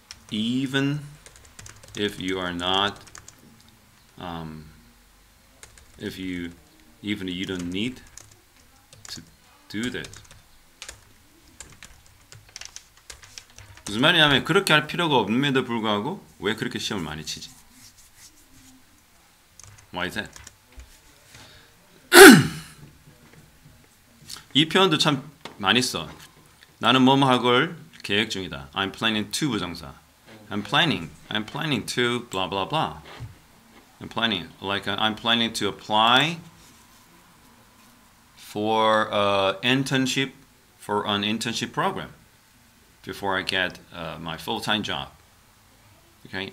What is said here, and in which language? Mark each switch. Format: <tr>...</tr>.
<en>Even if you are not, if you don't need to do that.</en> <ko>무슨 말이냐면 그렇게 할 필요가 없음에도 불구하고 왜 그렇게 시험을 많이 치지?</ko> <en>Why is that?</en> <ko>이 표현도 참 많이 써. 나는 뭐뭐 할 걸 계획 중이다.</ko> <en>I'm planning to 부정사. I'm planning to blah blah blah. I'm planning like I'm planning to apply for an internship program before I get my full-time job. Okay?</en>